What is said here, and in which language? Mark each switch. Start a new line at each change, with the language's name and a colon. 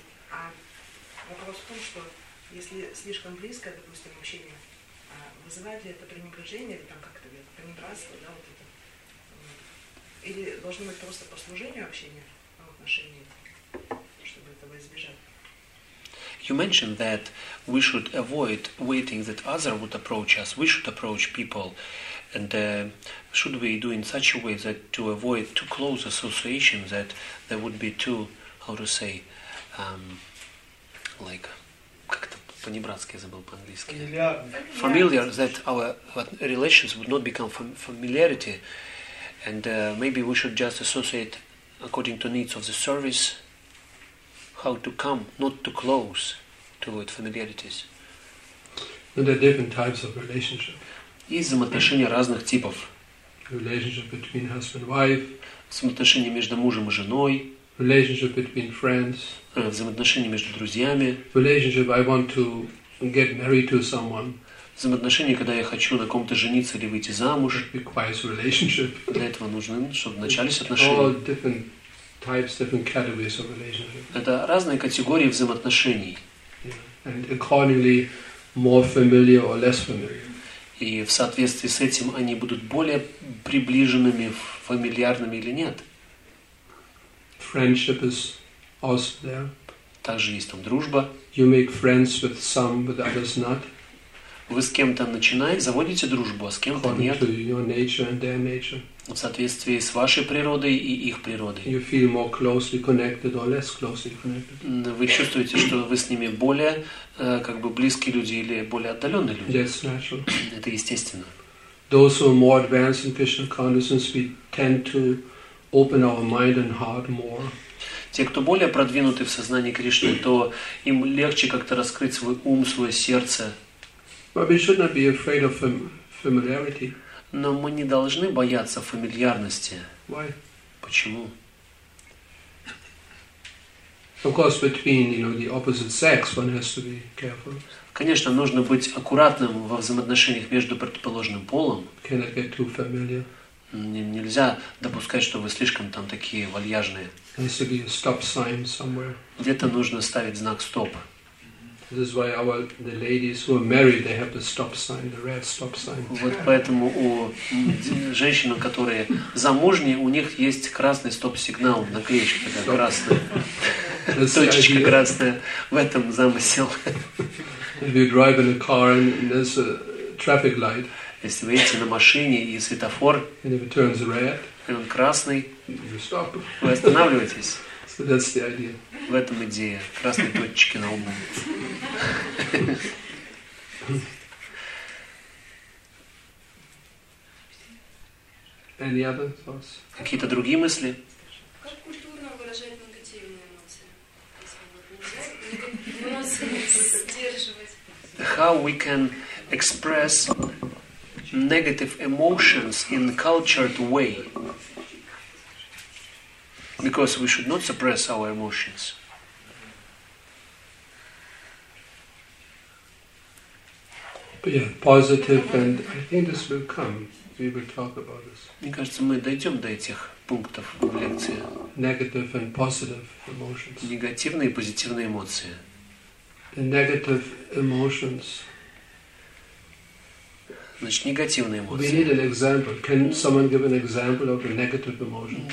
Russian: А вопрос в том, что если слишком близко, допустим, общение, вызывает ли это пренебрежение, или там как это говорят, пренебратство, да, вот это? Или должно быть просто по служению общения в отношении, чтобы этого избежать?
English: You mentioned that we should avoid waiting that other would approach us. We should approach people. And should we do in such a way that to avoid too close association, that there would be too, how to say, like,
Russian: как-то по-небратски я забыл по-английски.
English: Familiar, that our relations would not become familiarity, and maybe we should just associate according to needs of the service, how to come, not too close, to avoid familiarities. And there are different types of relationships.
Russian: И взаимоотношения разных типов.
English: Relationship between husband and wife.
Russian: Взаимоотношения между мужем и женой.
English: Relationship between friends.
Russian: Взаимоотношения между друзьями.
English: Relationship I want to get married to someone.
Russian: Взаимоотношения, когда я хочу на ком-то жениться или выйти замуж.
English: It requires relationship.
Russian: Для этого нужны, чтобы начались отношения.
English: All different types, different categories of relationship.
Russian: Это разные категории взаимоотношений.
English: and accordingly more familiar or less familiar.
Russian: И в соответствии с этим они будут более приближенными, фамильярными или нет.
English: Friendship is also there.
Russian: Также есть там дружба.
English: You make friends with some, with others not.
Russian: Вы с кем-то начинаете, заводите дружбу, а с кем-то нет.
English: According to your nature and their nature.
Russian: В соответствии с вашей природой и их природой.
English: You feel more closely connected or less closely connected.
Russian: Вы чувствуете, что вы с ними более как бы близкие люди или более отдаленные люди?
English: That's natural.
Russian: Это естественно.
English: Those who are more advanced in Krishna consciousness, we tend to open our mind and heart more.
Russian: Те, кто более продвинуты в сознании Кришны, то им легче как-то раскрыть свой ум, свое сердце.
English: But we should not be afraid of familiarity.
Russian: Но мы не должны бояться фамильярности.
English: Why?
Russian: Почему?
English: Of course, between, you know, the opposite sex, one has to be careful.
Russian: Конечно, нужно быть аккуратным во взаимоотношениях между противоположным полом.
English: Cannot get too familiar.
Russian: Нельзя допускать, что вы слишком там такие вальяжные.
English: There has to be a stop sign somewhere.
Russian: Где-то нужно ставить знак стоп.
English: This is why our the ladies who are married, they have the stop sign, the red stop sign.
Russian: Вот поэтому у женщин, которые замужние, у них есть красный стоп-сигнал на клеечке, такая красная. Точечка красная в этом замысел.
English: If you drive in a car and there's a traffic light.
Russian: Если вы едете на машине и светофор.
English: And if it turns red.
Russian: И он красный.
English: You stop.
Russian: Вы останавливаетесь.
English: So that's the idea.
Russian: В этом идея. Красные точечки на лбу.
English: Any other thoughts?
Russian: Какие-то другие мысли? Как культурно выражать негативные эмоции? Если вот нельзя эмоции сдерживать.
English: How we can express negative emotions in cultured way? Because we should not suppress our emotions. Yeah, positive, and I think this will come. We will talk about this.
Russian: Мне кажется, мы дойдем до этих пунктов в лекции.
English: Negative and positive emotions.
Russian: Негативные и позитивные эмоции.
English: The negative emotions.
Russian: Значит, негативные эмоции.
English: We need an example. Can someone give an example of a negative emotion?